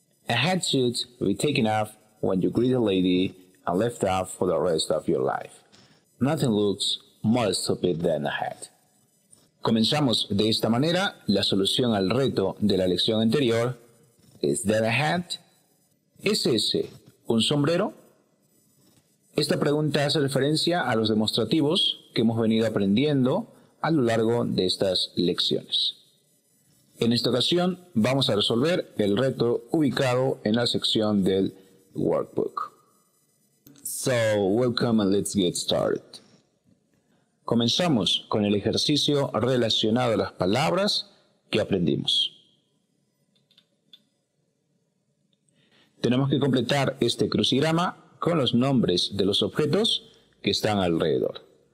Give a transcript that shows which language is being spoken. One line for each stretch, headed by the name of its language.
English: A hat should be taken off when you greet a lady and left off for the rest of your life. Nothing looks more stupid than a hat.
Spanish: Comenzamos de esta manera la solución al reto de la lección anterior.
English: Is that a hat?
Spanish: ¿Es ese un sombrero? Esta pregunta hace referencia a los demostrativos que hemos venido aprendiendo a lo largo de estas lecciones. En esta ocasión vamos a resolver el reto ubicado en la sección del workbook.
English: So, welcome and let's get started.
Spanish: Comenzamos con el ejercicio relacionado a las palabras que aprendimos. Tenemos que completar este crucigrama con los nombres de los objetos que están alrededor.